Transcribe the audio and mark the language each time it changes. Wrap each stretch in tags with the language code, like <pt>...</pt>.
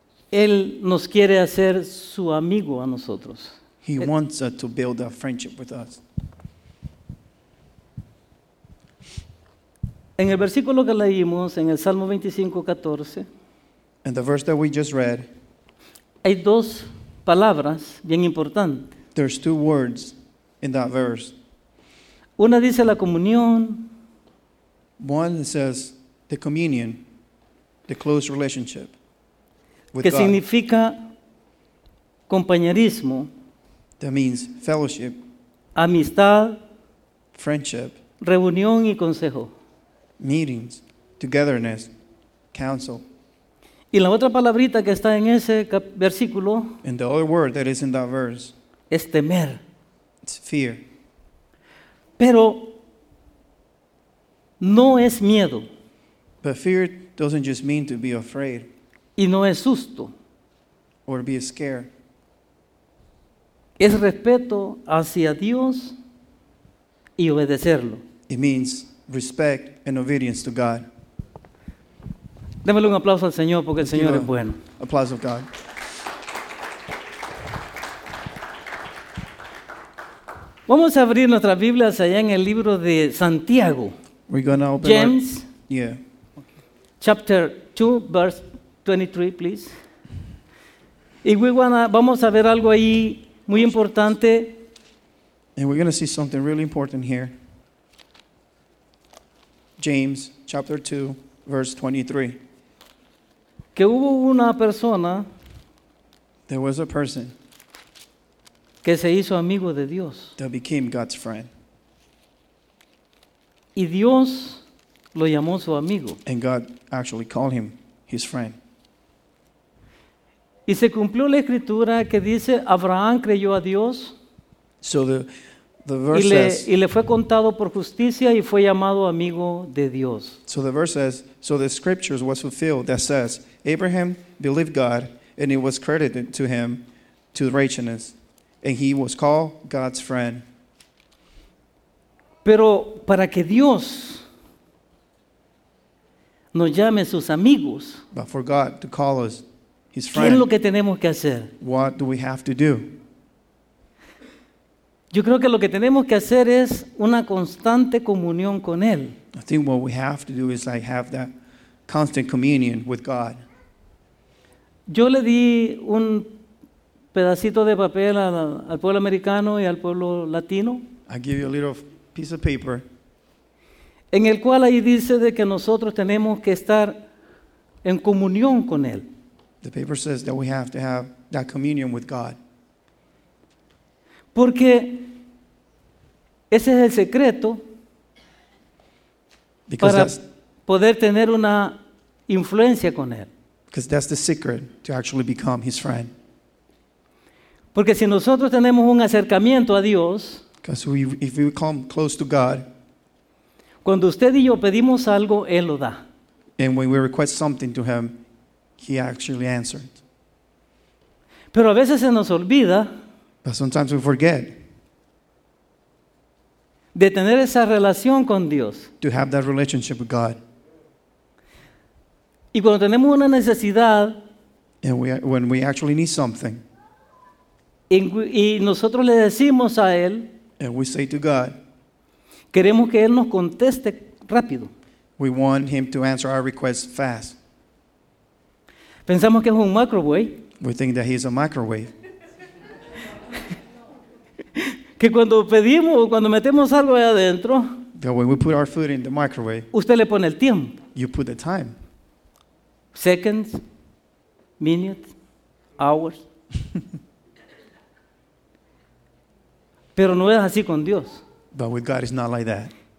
<es>él nos quiere hacer su amigo a nosotros.</es> <en>He wants us to build a friendship with us.</en> <es>En el versículo que leímos, en el Salmo 25:14,</es> <en>in the verse that we just read,</en> <es>hay dos palabras bien importantes.</es> <en>There's two words in that verse.</en> <es>Una dice la comunión.</es> <en>One says the communion, the close relationship with</en> <es>que Significa compañerismo.</es> <en>That means fellowship.</en> <es>Amistad.</es> <en>Friendship.</en> <es>Reunión y consejo.</es> <en>Meetings, togetherness, counsel.</en> <es>Y la otra palabrita que está en ese versículo.</es> <en>And the other word that is in that verse.</en> <es>Es temer.</es> <en>It's fear.</en> <es>Pero no es miedo.</es> <en>But fear doesn't just mean to be afraid.</en> <es>Y no es susto.</es> <en>or be scared.</en> <es>Es respeto hacia Dios y obedecerlo.</es> <en>It means respect and obedience to God.</en> <es>Démele un aplauso al Señor porque el Señor es bueno.</es> <en>Applause of God.</en> <es>Vamos a abrir nuestras Biblias allá en el libro de Santiago.</es> <en>We're going to open James. Our, yeah. Chapter 2, verse 23, please.</en> <es>Y vamos a ver algo ahí muy importante.</es> <en>And we're going to see something really important here. James, chapter 2, verse 23.</en> <es>Que hubo una persona.</es> <en>There was a person.</en> <es>Que se hizo amigo de Dios.</es> <en>That became God's friend.</en> <es>Y Dios lo llamó su amigo.</es> <en>And God actually called him his friend.</en> <es>Y se cumplió la escritura que dice Abraham creyó a Dios.</es> <en>So the verse says,</en> <es>y le fue contado por justicia y fue llamado amigo de Dios.</es> <en>So the verse says, so the scriptures was fulfilled that says, Abraham believed God and it was credited to him to righteousness. And he was called God's friend.</en> <es>Pero para que Dios nos llame sus amigos,</es> <en>but for God to call us his friend,</en> <es>¿qué es lo que tenemos que hacer?</es> <en>What do we have to do?</en> <es>Yo creo que lo que tenemos que hacer es una constante comunión con él.</es> <en>I think what we have to do is like have that constant communion with God.</en> <es>Yo le di un pedacito de papel al pueblo americano y al pueblo latino.</es> <en>I give you a little piece of paper.</en> <es>En el cual ahí dice de que nosotros tenemos que estar en comunión con él.</es> <en>The paper says that we have to have that communion with God.</en> <es>Porque ese es el secreto</es> <en>because</en> <es>para poder tener una influencia con él.</es> <en>Because that's the secret to actually become his friend.</en> <es>Porque si nosotros tenemos un acercamiento a Dios,</es> <en>if we come close to God,</en> <es>cuando usted y yo pedimos algo, Él lo da.</es> <en>And when we request something to Him, He actually answers.</en> <es>Pero a veces se nos olvida,</es> <en>but sometimes we forget,</en> <es>de tener esa relación con Dios.</es> <en>To have that relationship with God.</en> <es>Y cuando tenemos una necesidad,</es> <en>and when we actually need something,</en> <es>y nosotros le decimos a Él,</es> <en>and we say to God,</en> <es>queremos que Él nos conteste rápido.</es> <en>We want Him to answer our request fast.</en> <es>Pensamos que es un microwave.</es> <en>We think that He's a microwave.</en> <es>Que cuando pedimos o cuando metemos algo ahí adentro,</es> <en>that when we put our food in the microwave,</en> <es>usted le pone el tiempo.</es> <en>You put the time. Seconds, minutes, hours.</en> <es>Pero no es así con Dios.</es> <en>But with God, it's not like that.</en>